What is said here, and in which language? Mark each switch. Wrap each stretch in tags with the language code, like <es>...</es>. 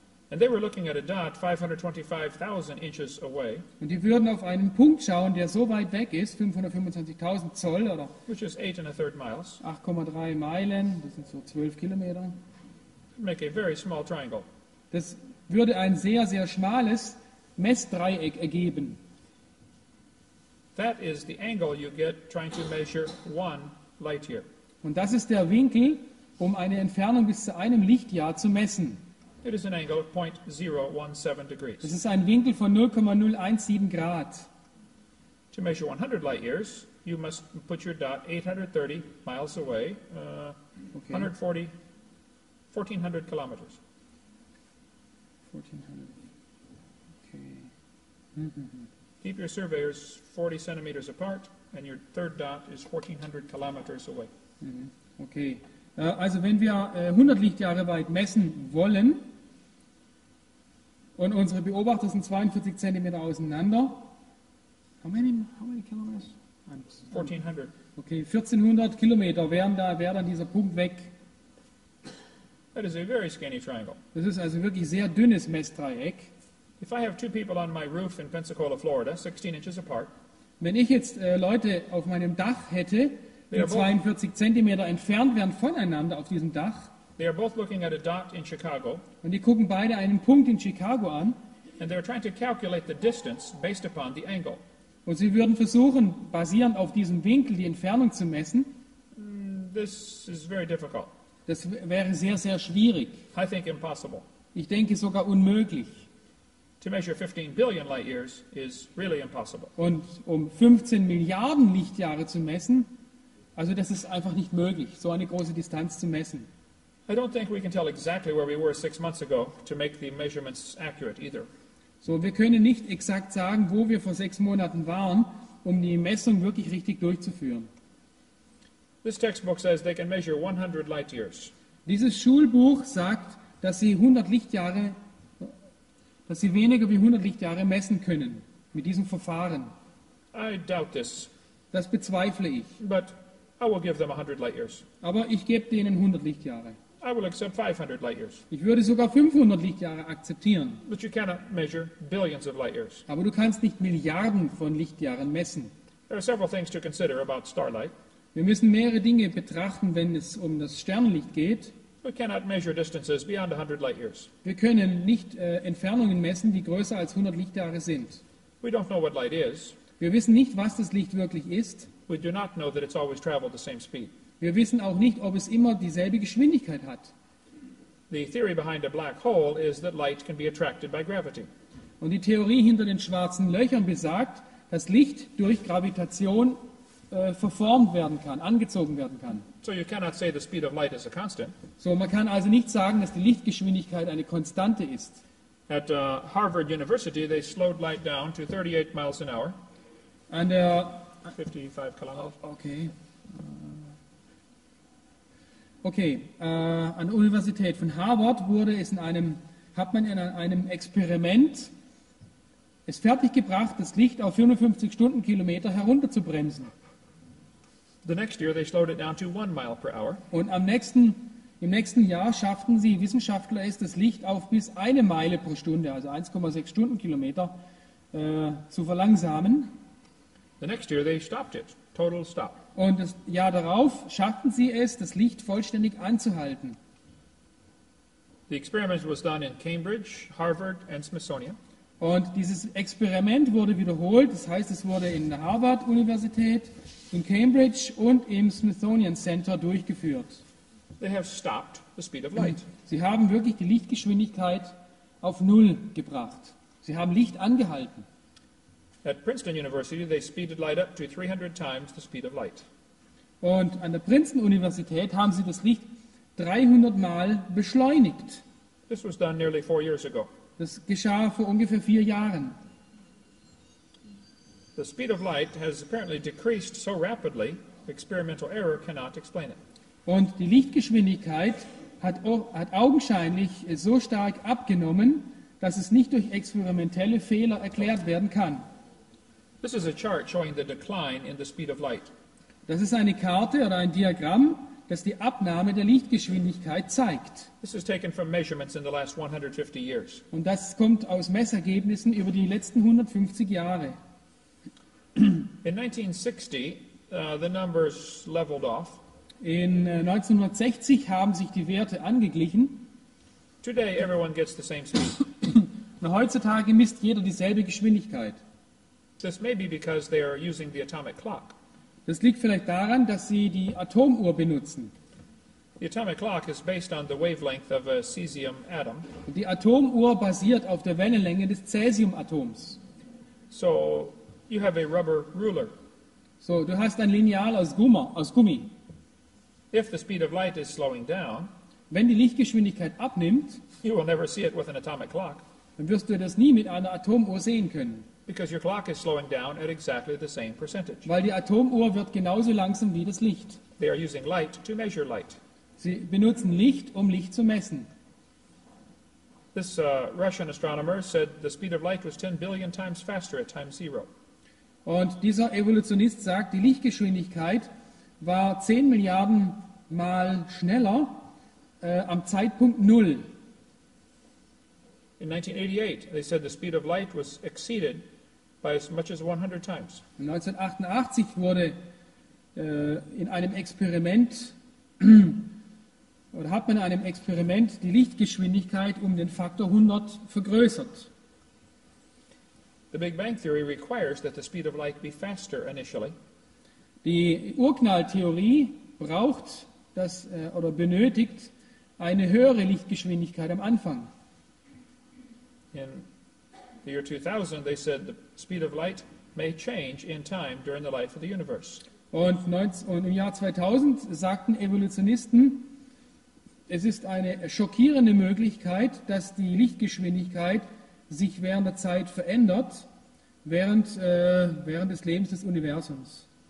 <en>and they were looking at a dot 525,000 inches away.</en> <de>Und die würden auf einen Punkt schauen, der so weit weg ist, 525,000 Zoll oder</de> <en>which is 8.3 miles.</en> <de>8,3 Meilen, das sind so 12 Kilometer.</de> <en>Make a very small triangle.</en> <de>Das würde ein sehr sehr schmales Messdreieck ergeben.</de> <en>That is the angle you get trying to measure one light year.</en> <de>Und das ist der Winkel, um eine Entfernung bis zu einem Lichtjahr zu messen.</de> <en>It is an angle of 0.017 degrees.</en> <de>Es ist ein Winkel von 0,017 Grad.</de> <en>To measure 100 light years, you must put your dot 830 miles away, 1400 kilometers. 1400. Okay. Keep your surveyors 40 centimeters apart, and your third dot is 1400 kilometers away. Mm-hmm. Okay.</en> <de>Also wenn wir 100 Lichtjahre weit messen wollen, und unsere Beobachter sind 42 cm auseinander.</de> <en>How many kilometers? 1400.</en> <de>Okay, 1400 Kilometer wäre dann dieser Punkt weg.</de> <en>That is a very skinny triangle.</en> <de>Das ist also wirklich sehr dünnes Messdreieck.</de> <en>If I have two people on my roof in Pensacola, Florida, 16 inches apart.</en> <de>Wenn ich jetzt Leute auf meinem Dach hätte, die 42 cm entfernt wären voneinander auf diesem Dach.</de> <en>They are both looking at a dot in Chicago.</en> <de>Und die gucken beide einen Punkt in Chicago an.</de> <en>And they are trying to calculate the distance based upon the angle.</en> <de>Und sie würden versuchen, basierend auf diesem Winkel die Entfernung zu messen.</de> <en>This is very difficult.</en> <de>Das wäre sehr sehr schwierig.</de> <en>I think impossible.</en> <de>Ich denke sogar unmöglich.</de> <en>To measure 15 billion light years is really impossible.</en> <de>Und um 15 Milliarden Lichtjahre zu messen, also das ist einfach nicht möglich, so eine große Distanz zu messen.</de> <en>I don't think we can tell exactly where we were 6 months ago to make the measurements accurate either.</en> <de>So, wir können nicht exakt sagen, wo wir vor 6 Monaten waren, um die Messung wirklich richtig durchzuführen.</de> <en>This textbook says they can measure 100 light years.</en> <de>Dieses Schulbuch sagt, dass sie weniger wie 100 Lichtjahre messen können mit diesem Verfahren.</de> <en>I doubt this.</en> <de>Das bezweifle ich.</de> <en>But I will give them 100 light years.</en> <de>Aber ich gebe denen 100 Lichtjahre.</de> <en>I will accept 500 light years.</en> <de>Ich würde sogar 500 Lichtjahre akzeptieren.</de> <en>But you cannot measure billions of light years.</en> <de>Aber du kannst nicht Milliarden von Lichtjahren messen.</de> <en>There are several things to consider about starlight.</en> <de>Wir müssen mehrere Dinge betrachten, wenn es um das Sternenlicht geht.</de> <en>We cannot measure distances beyond 100 light years.</en> <de>Wir können nicht Entfernungen messen, die größer als 100 Lichtjahre sind.</de> <en>We don't know what light is.</en> <de>Wir wissen nicht, was das Licht wirklich ist.</de> <en>We do not know that it's always traveled the same speed.</en> <de>Wir wissen auch nicht, ob es immer dieselbe Geschwindigkeit hat.</de> <en>The theory behind a black hole is that light can be attracted by gravity.</en> <de>Und die Theorie hinter den schwarzen Löchern besagt, dass Licht durch Gravitation verformt werden kann, angezogen werden kann.</de> <en>So you cannot say the speed of light is a constant.</en> <de>So man kann also nicht sagen, dass die Lichtgeschwindigkeit eine Konstante ist.</de> <en>At Harvard University they slowed light down to 38 miles an hour. And 55 kilometers. Okay.</en> <de>Okay, an der Universität von Harvard hat man in einem Experiment es fertiggebracht, das Licht auf 55 Stundenkilometer herunterzubremsen.</de> <en>The next year they slowed it down to 1 mile per hour.</en> <de>Und im nächsten Jahr schafften sie Wissenschaftler es, das Licht auf bis 1 Meile pro Stunde, also 1,6 Stundenkilometer, zu verlangsamen.</de> <en>The next year they stopped it, total stop.</en> <de>Und das Jahr darauf schafften sie es, das Licht vollständig anzuhalten.</de> <en>The experiment was done in Cambridge, Harvard and Smithsonian.</en> <de>Und dieses Experiment wurde wiederholt, das heißt, es wurde in der Harvard-Universität, in Cambridge und im Smithsonian Center durchgeführt.</de> <en>They have stopped the speed of light.</en> <de>Sie haben wirklich die Lichtgeschwindigkeit auf Null gebracht. Sie haben Licht angehalten.</de> <en>At Princeton University, they speeded light up to 300 times the speed of light.</en> <de>Und an der Princeton Universität haben sie das Licht 300 Mal beschleunigt.</de> <en>This was done nearly 4 years ago.</en> <de>Das geschah vor ungefähr 4 Jahren.</de> <en>The speed of light has apparently decreased so rapidly, experimental error cannot explain it.</en> <de>Und die Lichtgeschwindigkeit hat augenscheinlich so stark abgenommen, dass es nicht durch experimentelle Fehler erklärt werden kann.</de> <en>This is a chart showing the decline in the speed of light.</en> <de>Das ist eine Karte oder ein Diagramm, das die Abnahme der Lichtgeschwindigkeit zeigt.</de> <en>This is taken from measurements in the last 150 years.</en> <de>Und das kommt aus Messergebnissen über die letzten 150 Jahre.</de> <en>In 1960, the numbers leveled off.</en> <de>In 1960 haben sich die Werte angeglichen.</de> <en>Today everyone gets the same speed.</en> <de>Und heutzutage misst jeder dieselbe Geschwindigkeit.</de> <en>This may be because they are using the atomic clock.</en> <de>Das liegt vielleicht daran, dass sie die Atomuhr benutzen.</de> <en>The atomic clock is based on the wavelength of a cesium atom.</en> <de>Die Atomuhr basiert auf der Wellenlänge des Cäsiumatoms.</de> <en>So you have a rubber ruler.</en> <de>So du hast ein Lineal aus Gummi.</de> <en>If the speed of light is slowing down,</en> <de>wenn die Lichtgeschwindigkeit abnimmt,</de> <en>you will never see it with an atomic clock.</en> <de>Dann wirst du das nie mit einer Atomuhr sehen können.</de> <en>Because your clock is slowing down at exactly the same percentage.</en> <de>Weil die Atomuhr wird genauso langsam wie das Licht.</de> <en>They are using light to measure light.</en> <de>Sie benutzen Licht, um Licht zu messen.</de> <en>This Russian astronomer said the speed of light was 10 billion times faster at time zero.</en> <de>Und dieser Evolutionist sagt, die Lichtgeschwindigkeit war 10 Milliarden Mal schneller am Zeitpunkt Null.</de> <en>In 1988, they said the speed of light was exceeded by as much as 100 times.</en> <de>1988 wurde in einem Experiment oder hat man in einem Experiment die Lichtgeschwindigkeit um den Faktor 100 vergrößert.</de> <en>The Big Bang Theory requires that the speed of light be faster initially.</en> <de>Die Urknalltheorie braucht das oder benötigt eine höhere Lichtgeschwindigkeit am Anfang.</de> <en>In the year 2000, they said the speed of light may change in time during the life of the universe.</en> <de>Und im Jahr 2000 sagten Evolutionisten, es ist eine schockierende Möglichkeit, dass die Lichtgeschwindigkeit sich während der Zeit verändert, während des Lebens des Universums.</de>